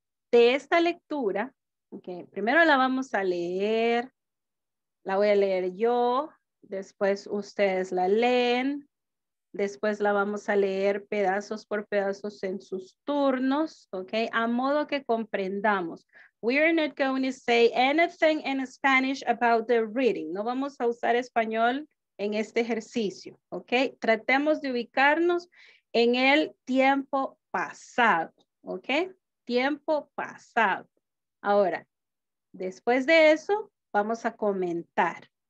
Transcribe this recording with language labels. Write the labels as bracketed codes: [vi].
[es] De esta lectura, okay, primero la vamos a leer, la voy a leer yo, después ustedes la leen, Después la vamos a leer pedazos por pedazos en sus turnos, okay? A modo que comprendamos. [en] We are not going to say anything in Spanish about the reading. [es] No vamos a usar español en este ejercicio, okay? Tratemos de ubicarnos en el tiempo pasado, okay? Tiempo pasado. Ahora, después de eso, vamos a comentar.